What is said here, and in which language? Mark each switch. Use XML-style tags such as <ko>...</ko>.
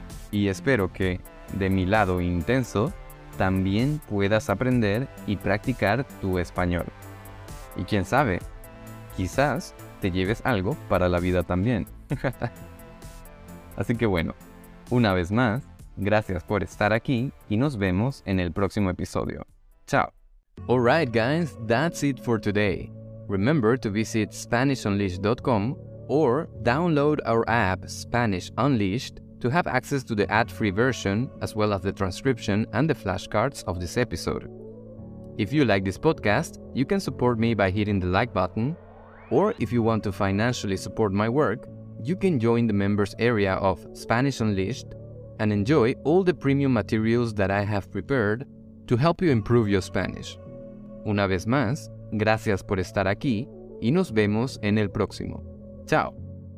<es>Y espero que, de mi lado intenso, también puedas aprender y practicar tu español. Y quién sabe, quizás te lleves algo para la vida también. Así que bueno, una vez más, gracias por estar aquí y nos vemos en el próximo episodio. ¡Chao!</es> <en>Alright guys, that's it for today. Remember to visit SpanishUnleashed.com or download our app Spanish Unleashed to have access to the ad-free version as well as the transcription and the flashcards of this episode. If you like this podcast, you can support me by hitting the like button, or if you want to financially support my work, you can join the members area of Spanish Unleashed and enjoy all the premium materials that I have prepared to help you improve your Spanish.</en> <es>Una vez más, gracias por estar aquí y nos vemos en el próximo. Chao.</es>